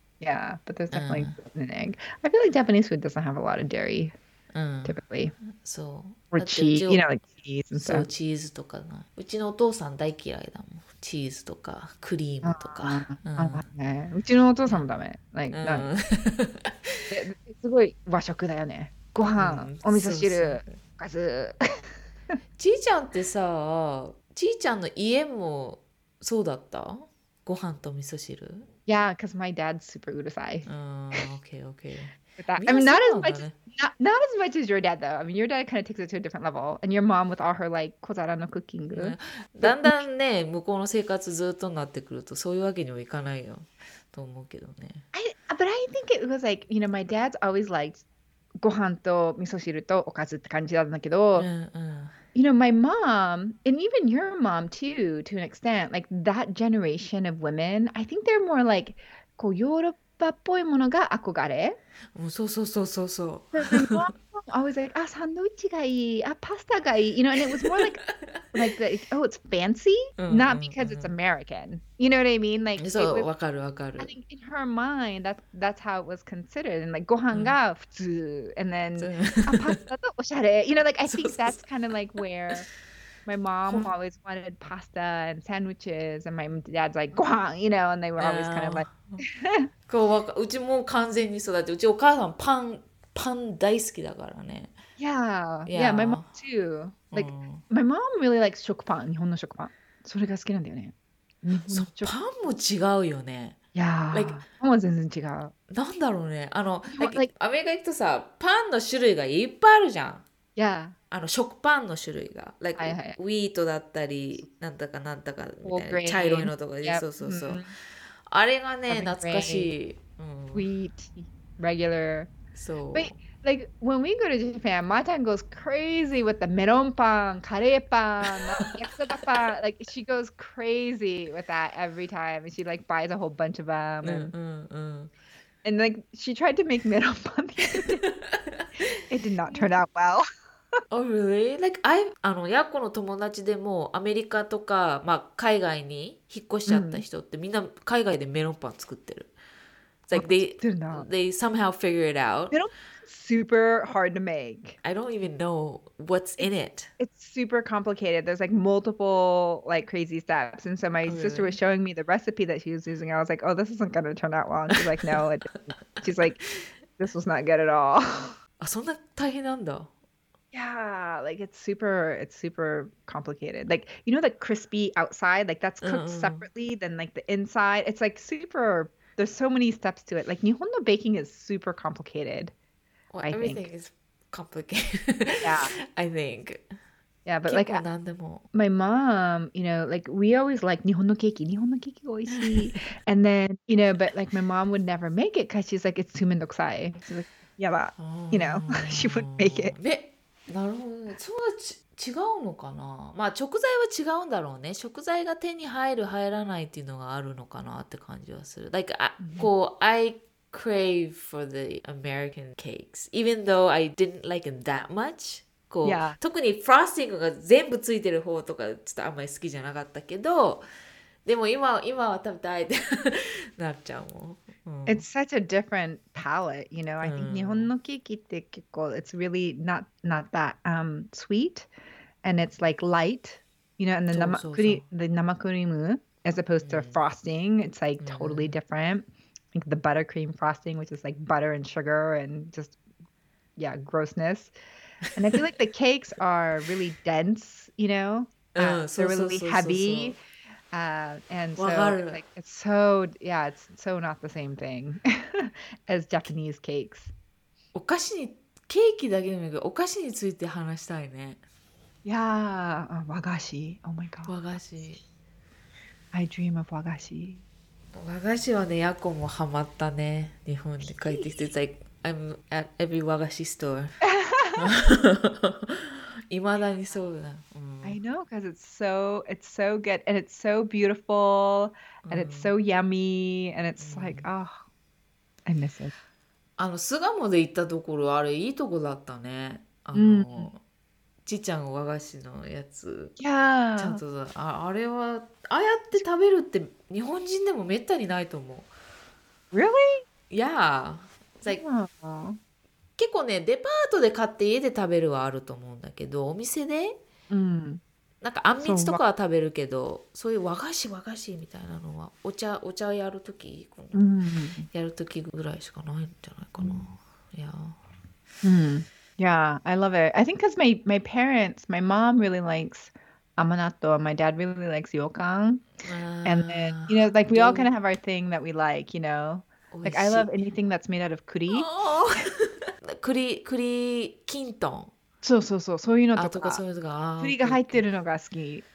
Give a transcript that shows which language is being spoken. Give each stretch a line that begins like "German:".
English: Yeah, but there's definitely an egg. I feel like Japanese food doesn't have a lot of dairy, typically.
Japanese: そう。
English: Or cheese, you know, like cheese and stuff.
Japanese: そう、チーズとかな。うちのお父さん大嫌いだもん。チーズとか、クリームとか。うちのお父さんもダメ。Like, すごい和食だよね。ご飯、お味噌汁、おかず。ちーちゃんってさ、ちーちゃんの家もそうだった？ご飯と味噌汁？
English: Yeah, because my dad's super
Japanese: うるさい.
English: Okay. I mean, not as much as your dad, though. I mean, your dad kind of takes it to a different level. And your mom with all her, like,
Japanese: 小皿のクッキング。だんだんね、向こうの生活ずっとなってくると、そういうわけにはいかないよ。と思うけどね。
English: But I think it was like, you know, my dad's always liked
Japanese: ご飯と味噌汁とおかずって感じだったんだけど、
English: You know, my mom, and even your mom too, to an extent, like that generation of women, I think they're more like,
Japanese: こうヨーロッパっぽいものが憧れ。そう。
English: I was like,
Japanese: サンドイッチがいい、パスタがいい。
English: You know, and it was more like, oh, it's fancy, not because it's American. You know what I mean? Like,
Japanese: そう、わかるわかる。
English: I think in her mind, that's how it was considered.
Japanese: And like, ご飯が普通。And then, パスタとおしゃれ。
English: You know, like, I think that's kind of like where my mom always wanted pasta and sandwiches. And my dad's like, ご飯、you know, and they were always kind of like.
Japanese: こう、うちも完全にそうだって。うちお母さんパン大好きだからね。
English: Yeah, my mom too. Like, my mom really likes
Japanese: 食パン、日本の食パン。それが好きなんだよね。そう、パンも違うよね。
English: Yeah, like,
Japanese: パンは全然違う。なんだろうね。 Like, アメリカ行くとさ、パンの種類がいっぱいあるじゃん。
English: Yeah.
Japanese: 食パンの種類が。 Like, ウィートだったり、なんだかなんだかみたいな。茶色いのとか、そう。あれがね、懐かしい。
English: Wheat, regular... So, but like when we go to Japan, my tan goes crazy with the meron pan, kare pan, yakisoba pan. Like she goes crazy with that every time. And she like buys a whole bunch of them. And like she tried to make meron pan. It did not turn out well. Oh, really?
Japanese: Like I, Yakko の友達でもアメリカとか、まあ、海外に引っ越しちゃった人ってみんな海外でメロンパン作ってる。
English: Like they somehow figure it out. Meron pan's super hard to make. I don't even know what's in it. It's super complicated. There's like multiple like crazy steps. And so my sister was showing me the recipe that she was using. I was like, oh, this isn't going to turn out well. And she's like, no, it didn't. She's like, this was not good at all.
Japanese: あ、そんな大変なんだ。
English: Yeah, like it's super complicated. Like, you know, the crispy outside, like that's cooked separately than like the inside. It's like super, there's so many steps to it. Like,
Japanese: Nihonno
English: baking is super complicated. Well, everything is complicated. Yeah. I think. Yeah, but like, my mom, you know, like we always like
Japanese: Nihonno keiki oishii.
English: And then, you know, but like my mom would never make it because she's like, it's too
Japanese: mendokusai.
English: She's like, yeah, but, you know, she wouldn't make it.
Japanese: なるほどね。それは違うのかな。まあ食材は違うんだろうね。食材が手に入る入らないっていうのがあるのかなって感じはする。
English: Like, こう、I crave for the American cakes, even though I didn't like it that much.
Japanese: こう、
English: yeah.
Japanese: 特にフロスティングが全部ついてる方とかちょっとあんまり好きじゃなかったけど、でも今は食べたいってなっちゃうもん。
English: It's such a different palate, you know. I think
Japanese: Nihon no keiki te kikko,
English: it's really not that sweet, and it's like light, you know. And the namakurimu, as opposed to frosting, it's like totally different. Like the buttercream frosting, which is like butter and sugar and just, yeah, grossness. And I feel like the cakes are really dense, you know. They're really heavy. It's so not the same thing as Japanese cakes.
Japanese: お菓子に、ケーキだけでもいいけど、お菓子について話したいね。
English: Yeah, 和菓子。Oh my god.
Japanese: 和菓子。
English: I dream of 和菓子。
Japanese: 和菓子はね、ヤコもハマったね。日本に帰ってきて、
English: It's like, I'm at every 和菓子 store.
Japanese: いまだにそうだ。
English: I know, because it's so good, and it's so beautiful, and it's so yummy, and it's like, oh, I miss it.
Japanese: あの、巣鴨で行ったところ、あれ、いいとこだったね。あの、ちいちゃん和菓子のやつ。
English: Yeah.
Japanese: ちゃんとだ。あれは、ああやって食べるって、日本人でもめったにないと思う。
English: Really? Yeah. It's like...、Yeah.
Japanese: 結構ね、デパートで買って家で食べるはあると思うんだけど、お店で、なんかあんみつとかは食べるけど、そういう和菓子みたいなのは、お茶やるとき、やるときぐらいしかないんじゃないかな。
English: Yeah, I love it. I think because my parents, my mom really likes amanatto, and my dad really likes yokan. And then, you know, like we all kind of have our thing that we like, you know. Like I love anything that's made out of kuri.
Japanese: 栗きんとん。そうそうそう、そういうのとか。あ、とかそういうのが。栗が入ってるのが好き。